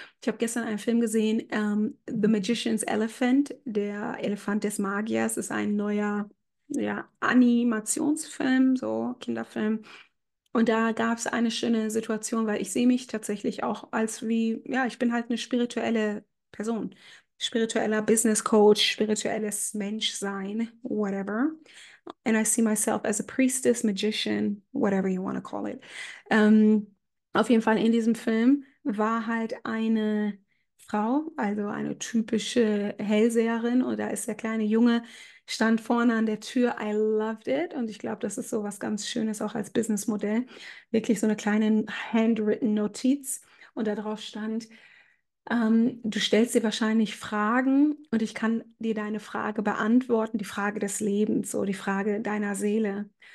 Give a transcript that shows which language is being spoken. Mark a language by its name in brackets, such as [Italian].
[German] Ich habe gestern einen Film gesehen, The Magician's Elephant, der Elefant des Magiers, ist ein neuer ja, Animationsfilm, so Kinderfilm. Und da gab es eine schöne Situation, weil ich sehe mich tatsächlich auch als wie, ja, ich bin halt eine spirituelle Person, spiritueller Business Coach, spirituelles Menschsein, whatever. [English] And I see myself as a priestess, magician, whatever you want to call it. [German] Auf jeden Fall in diesem Film war halt eine Frau, also eine typische Hellseherin, und da ist der kleine Junge, stand vorne an der Tür. [English] I loved it. [German] Und ich glaube, das ist so was ganz Schönes auch als Businessmodell. Wirklich so eine kleine handwritten Notiz. Und da drauf stand, du stellst dir wahrscheinlich Fragen und ich kann dir deine Frage beantworten, die Frage des Lebens, so die Frage deiner Seele.